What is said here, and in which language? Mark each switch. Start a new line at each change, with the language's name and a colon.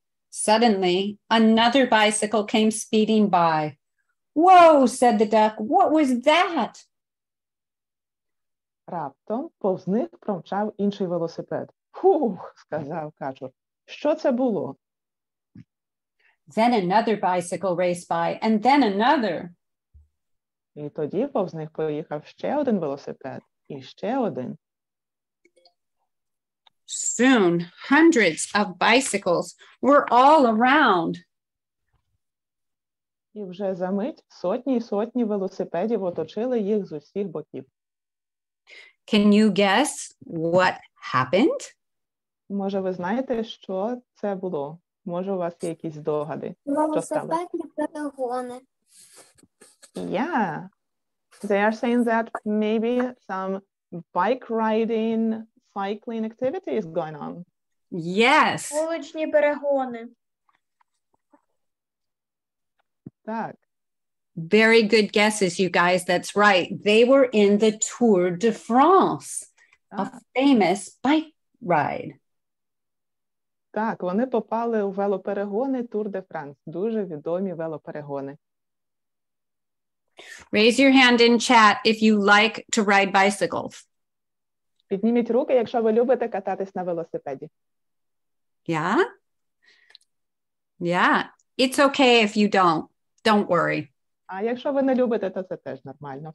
English: Suddenly, another bicycle came speeding by. Whoa, said the duck, what was that?
Ukrainian: Раптом повз них промчав інший велосипед. Фух, сказав Качур, що це було?
English: Then another bicycle raced by, and then another.
Ukrainian: І тоді повз них поїхав ще один велосипед. І ще один.
English: Soon, hundreds of bicycles were all around.
Ukrainian: І вже за мить сотні й сотні велосипедів оточили їх з усіх боків.
English: Can you guess what happened?
Ukrainian: Може, ви знаєте, що це було? Може, у вас є якісь здогади? Велосипедні перегони.
English: Yeah. They are saying that maybe some bike riding, cycling activity is going on. Yes.
Ukrainian: Вуличні перегони. Так.
English: Very good guesses, you guys. That's right. They were in the Tour de France,
Ukrainian: так.
English: A famous bike ride.
Ukrainian: Так, вони попали у велоперегони Tour de France. Дуже відомі велоперегони.
English: Raise your hand in chat if you like to ride bicycles.
Ukrainian: Підніміть руки, якщо ви любите кататись на велосипеді.
English: Yeah? Yeah. It's okay if you don't. Don't worry.
Ukrainian: А якщо ви не любите, то це теж нормально.